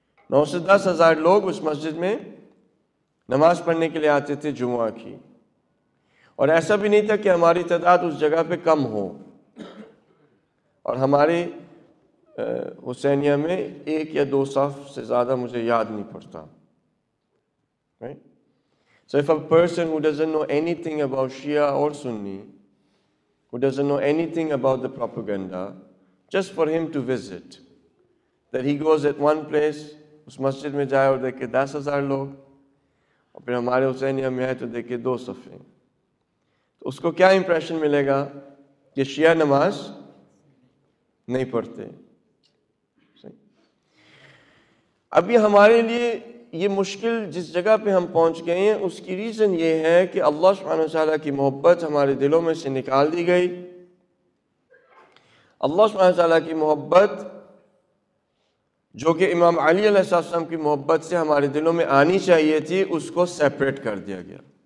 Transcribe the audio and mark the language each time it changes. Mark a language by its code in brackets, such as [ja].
[ur] 9 سے 10 ہزار لوگ اس مسجد میں نماز پڑھنے کے لیے آتے تھے جمعہ کی, اور ایسا بھی نہیں تھا کہ ہماری تعداد اس جگہ پہ کم ہو. اور ہماری حسینیہ میں ایک یا دو صف سے زیادہ مجھے یاد نہیں پڑتا. [en] so if a person who doesn't know anything about Shia اور Sunni, who doesn't know anything about the propaganda, just for him to visit, that he goes at one place, [ur] us masjid mein jaye aur dekhe 10,000 log, aur phir hamare Husainia mein aaye to dekhe 2 safe, to usko kya impression milega ki Shia namaz nahi padhte. Abhi hamare liye یہ مشکل جس جگہ پہ ہم پہنچ گئے ہیں اس کی ریزن یہ ہے کہ اللہ سبحانہ وتعالیٰ کی محبت ہمارے دلوں میں سے نکال دی گئی. اللہ سبحانہ وتعالیٰ کی محبت جو کہ امام علی علیہ السلام کی محبت سے ہمارے دلوں میں آنی چاہیے تھی, اس کو سیپریٹ کر دیا گیا.